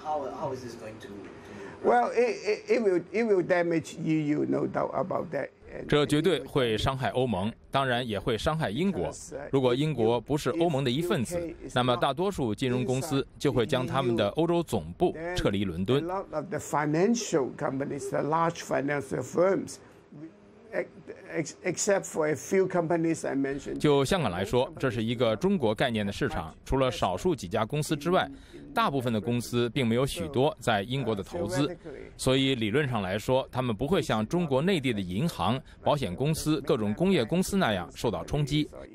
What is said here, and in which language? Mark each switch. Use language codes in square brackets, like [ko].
[en] What do you see in the long term? How is this going to work? Well, it will damage EU, no doubt about that. [zh] 这绝对会伤害欧盟，当然也会伤害英国。如果英国不是欧盟的一份子，那么大多数金融公司就会将他们的欧洲总部撤离伦敦。 [en] A lot of the financial companies, the large financial firms, except for a few companies I mentioned. [zh] 就香港来说，这是一个中国概念的市场，除了少数几家公司之外，大部分的公司并没有许多在英国的投资，所以理论上来说，他们不会像中国内地的银行、保险公司、各种工业公司那样受到冲击。